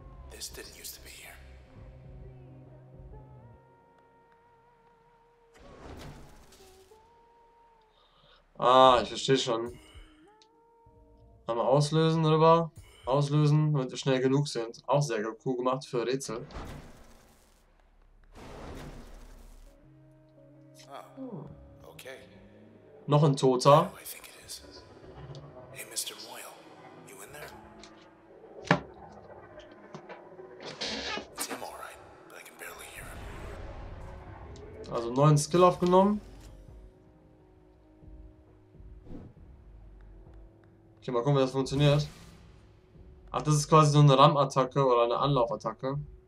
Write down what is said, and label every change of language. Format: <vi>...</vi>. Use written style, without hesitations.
<en>This didn't used to be here.</en> <de>Ah, ich verstehe schon. Einmal auslösen darüber. Auslösen, damit wir schnell genug sind. Auch sehr cool gemacht für Rätsel. Oh. Okay. Noch ein Toter.</de> <en>Hey, Mr. Moyle, you in there? It's him, all right, but I can barely hear him.</en> <de>Also neuen Skill aufgenommen. Okay, mal gucken, wie das funktioniert. Ach, das ist quasi so eine Ram-Attacke oder eine Anlauf-Attacke.</de>